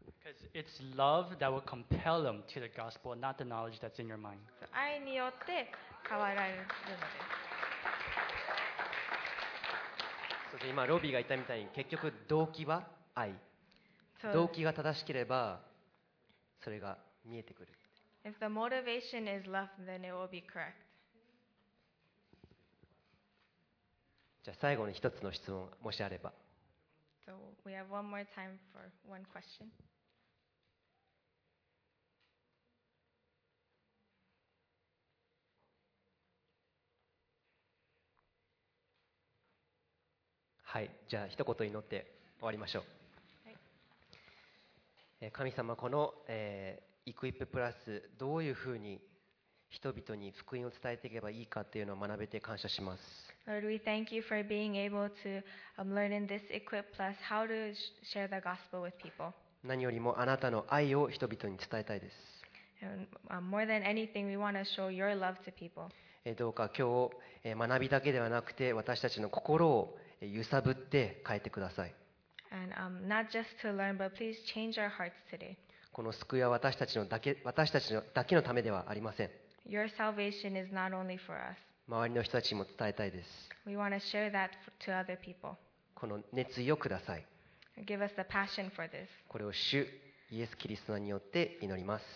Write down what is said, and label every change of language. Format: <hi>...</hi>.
<en>Because it's love that will compel them to the gospel, not the knowledge that's in your mind.</en> <ja>愛によって変わられるのです。今ロビーが言ったみたいに、結局動機は愛。</ja> <en>So,</en> <ja>動機が正しければそれが見えてくる。</ja> <en>If the motivation is love, then it will be correct.</en> <ja>じゃあ最後に一つの質問もしあれば。</ja> <en>So we have one more time for one question.</en> <ja>はい、じゃあ一言祈って終わりましょう。はい、神様、この、イクイッププラス、どういうふうに人々に福音を伝えていけばいいかというのを学べて感謝します。</ja> <en>Lord, we thank you for being able to learn in this Equip Plus how to share the gospel with people.</en> <ja>何よりもあなたの愛を人々に伝えたいです。</ja> <en>And more than anything, we want to show your love to people.</en> <ja>どうか今日学びだけではなくて私たちの心を揺さぶって変えてください。</ja> <en>And not just to learn, but please change our hearts today.</en> <ja>この救いは私たちのだけのためではありません。</ja> <en>Your salvation is not only for us.</en> <ja>周りの人たちにも伝えたいです。</ja> <en>We want to share that to other people.</en> <ja>この熱意をください。</ja> <en>Give us the passion for this.</en> <ja>これを主イエス・キリストによって祈ります。</ja>